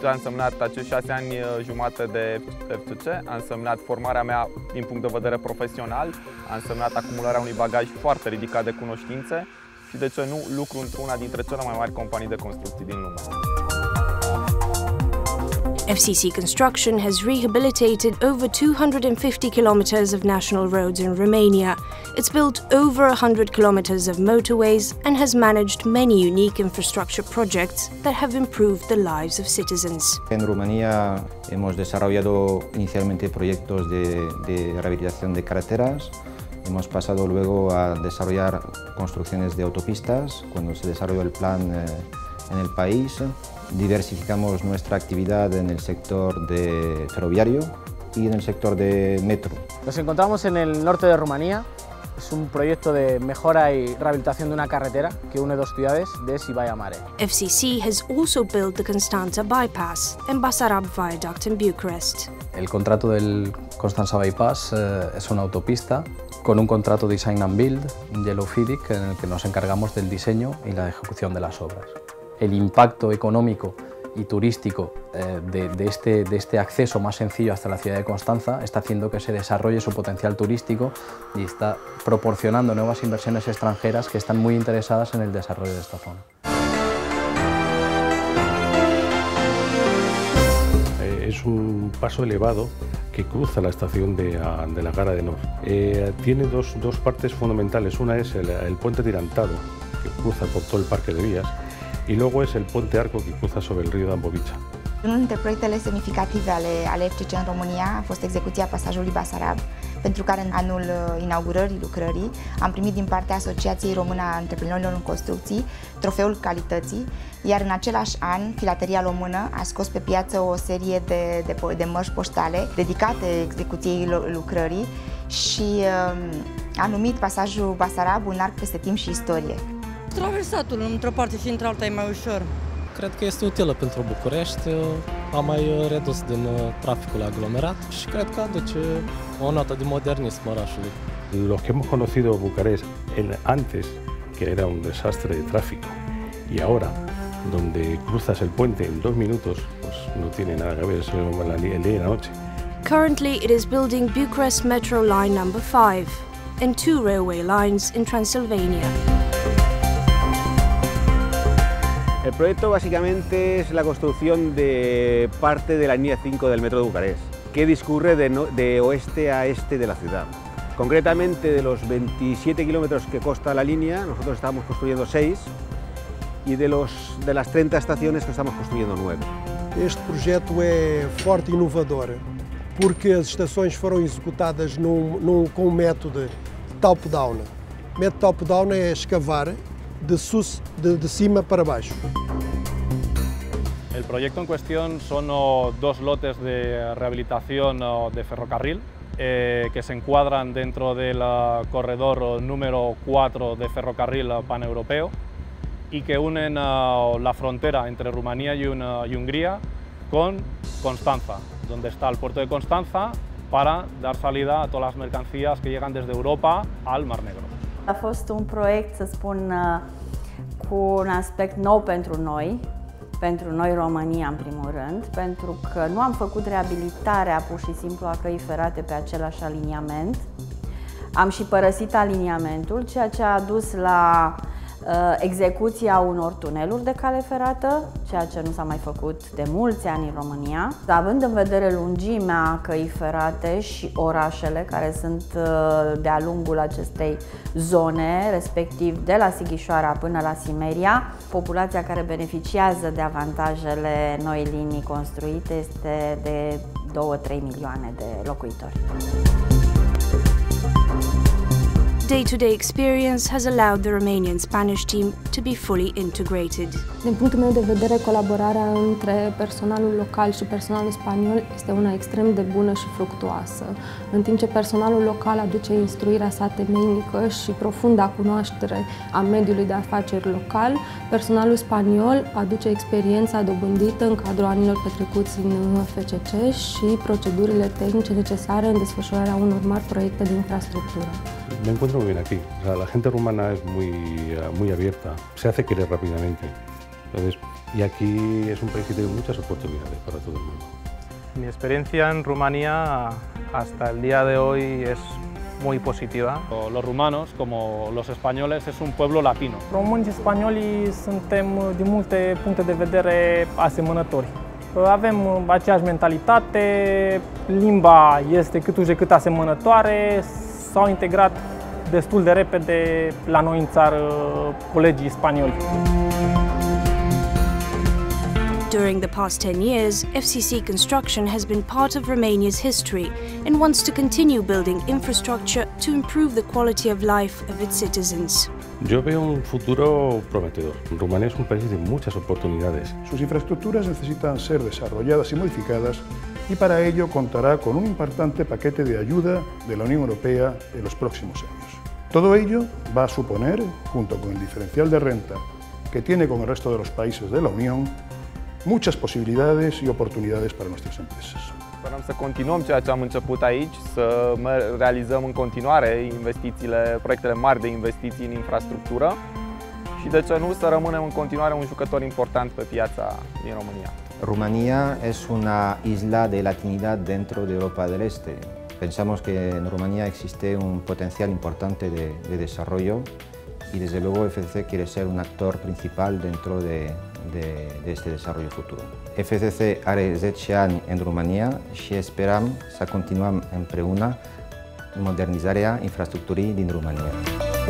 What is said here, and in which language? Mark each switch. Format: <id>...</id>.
<ro>Ce a însemnat acești 6 ani jumate de FCC? A însemnat formarea mea din punct de vedere profesional, a însemnat acumularea unui bagaj foarte ridicat de cunoștințe și, de ce nu, lucru într-una dintre cele mai mari companii de construcții din lume.</ro> <en>FCC Construction has rehabilitated over 250 kilometers of national roads in Romania. It's built over 100 kilometers of motorways and has managed many unique infrastructure projects that have improved the lives of citizens.</en> <es>En Rumanía hemos desarrollado inicialmente proyectos de rehabilitación de carreteras. Hemos pasado luego a desarrollar construcciones de autopistas cuando se desarrolló el plan en el país. Diversificamos nuestra actividad en el sector de ferroviario y en el sector de metro. Nos encontramos en el norte de Rumanía, es un proyecto de mejora y rehabilitación de una carretera que une dos ciudades de Es y Baia Mare.</es> <en>FCC has also built the Constanta bypass and Basarab viaduct in Bucharest.</en> <es>El contrato del Constanta bypass es una autopista con un contrato design and build, yellow FIDIC, en el que nos encargamos del diseño y la ejecución de las obras. El impacto económico y turístico de este acceso más sencillo hasta la ciudad de Constanta está haciendo que se desarrolle su potencial turístico y está proporcionando nuevas inversiones extranjeras que están muy interesadas en el desarrollo de esta zona. Es un paso elevado que cruza la estación de la Gara de Nord. Tiene dos partes fundamentales. Una es el puente tirantado que cruza por todo el parque de vías. Y luego es el puente arco que cruza sobre el río Dambovița. Uno de los proyectos significativos al FCC en Rumanía fue la ejecución del pasaje Basarab,</es> <ro>pentru care în anul inaugurării lucrării am primit din partea Asociației Română a Antreprenorilor în Construcții trofeul calității, iar în același an Filateria Română a scos pe piață o serie de mărci poștale dedicate execuției lucrării și a numit pasajul Basarab un arc peste timp și istorie. Traversatul într-o parte și într-alta e mai ușor. Cred că este utilă pentru București, a mai redus din traficul aglomerat și cred că aduce o notă de modernism orașului.</ro> <es>Los que hemos conocido Bucarest antes, que era un desastre de tráfico, y ahora, donde cruzas el puente en dos minutos, pues no tiene nada que ver, es el día y la noche.</es> <en>Currently, it is building Bucharest Metro Line Number 5 and two railway lines in Transylvania.</en> <es>El proyecto básicamente es la construcción de parte de la línea 5 del metro de Bucarest, que discurre de oeste a este de la ciudad. Concretamente, de los 27 kilómetros que consta la línea, nosotros estamos construyendo 6 y de las 30 estaciones que estamos construyendo 9. Este proyecto es fuerte e innovador porque las estaciones fueron ejecutadas con un método top-down. Método top-down es excavar de cima para abajo. El proyecto en cuestión son dos lotes de rehabilitación de ferrocarril que se encuadran dentro del corredor número 4 de ferrocarril paneuropeo y que unen la frontera entre Rumanía y Hungría con Constanta, donde está el puerto de Constanta para dar salida a todas las mercancías que llegan desde Europa al Mar Negro.</es> <ro>A fost un proiect, să spun, cu un aspect nou pentru noi, pentru noi România în primul rând, pentru că nu am făcut reabilitarea pur și simplu a căii ferate pe același aliniament. Am și părăsit aliniamentul, ceea ce a dus la execuția unor tuneluri de cale ferată, ceea ce nu s-a mai făcut de mulți ani în România. Având în vedere lungimea căii ferate și orașele care sunt de-a lungul acestei zone, respectiv de la Sighișoara până la Simeria, populația care beneficiază de avantajele noii linii construite este de 2-3 milioane de locuitori.</ro> <en>Day-to-day experience has allowed the Romanian-Spanish team to be fully integrated.</en> <ro>Din punctul meu de vedere, colaborarea între personalul local și personalul spaniol este una extrem de bună și fructuoasă. În timp ce personalul local aduce instruirea sa temeinică și profunda cunoaștere a mediului de afaceri local, personalul spaniol aduce experiența dobândită în cadrul anilor petrecuți în FCC și procedurile tehnice necesare în desfășurarea unor mari proiecte de infrastructură.</ro> <es>Me encuentro muy bien aquí. O sea, la gente rumana es muy, muy abierta, se hace querer rápidamente. Entonces, y aquí es un país que tiene muchas oportunidades para todo el mundo. Mi experiencia en Rumanía hasta el día de hoy es muy positiva. Los rumanos, como los españoles, es un pueblo latino. Rumanos y españoles son de muchos puntos de vista</es> <ro>asemănători. Avem aceeași mentalitate, limba este cât uși de cât asemănătoare, s-au integrat destul de repede la noi în țară colegii spanioli.</ro> <en>During the past 10 years, FCC Construction has been part of Romania's history and wants to continue building infrastructure to improve the quality of life of its citizens.</en> <es>Yo veo un futuro prometedor. Rumanía es un país de muchas oportunidades. Sus infraestructuras necesitan ser desarrolladas y modificadas y para ello contará con un importante paquete de ayuda de la Unión Europea en los próximos años. Todo ello va a suponer, junto con el diferencial de renta que tiene con el resto de los países de la Unión, muchas posibilidades y oportunidades para nuestras empresas.</es> <ro>Sperăm să continuăm ceea ce am început aici, să realizăm în continuare investițiile, proiectele mari de investiții în infrastructură și, de ce nu, să rămânem în continuare un jucător important pe piața din România.</ro> <es>România es una isla de latinidad dentro de Europa del Este. Pensamos que en Rumanía existe un potencial importante de desarrollo y desde luego FCC quiere ser un actor principal dentro de este desarrollo futuro.</es> <ro>FCC are 10 ani</ro> <es>en Rumanía</es> <ro>și</ro> <es>esperam</es> <ro>să continuăm împreună modernizarea infrastructurii din România.</ro>